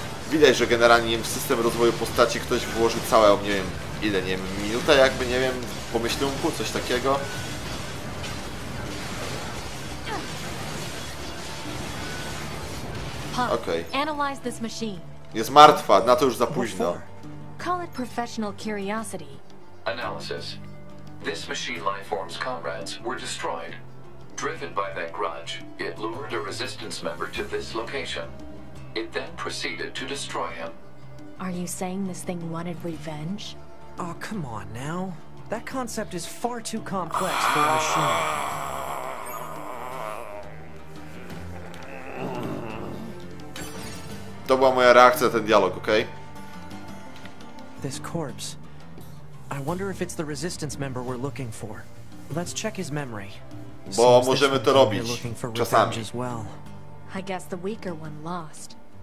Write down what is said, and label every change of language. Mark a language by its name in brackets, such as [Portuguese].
[Polish] Widać, że generalnie, nie wiem, w system rozwoju postaci ktoś włożył całe, nie wiem, ile, nie wiem, minutę jakby, nie wiem, pomyślunku, coś takiego. Okej. [English] Analyze this machine. [Polish] Jest martwa, na to już za późno. [English] Call it professional curiosity. Analysis. This machine lifeform's comrades were destroyed. Driven by that grudge, it lured a resistance member to this location. It then proceeded to destroy him. Are you saying this thing wanted revenge? Oh, come on now. That concept is far too complex for a machine. [Polish] To była moja reakcja na ten dialog, okej? [English] This corpse. I wonder if it's the resistance member we're looking for. Let's check his memory. [Polish] Bo możemy to robić czasami. [English] I guess the weaker one lost.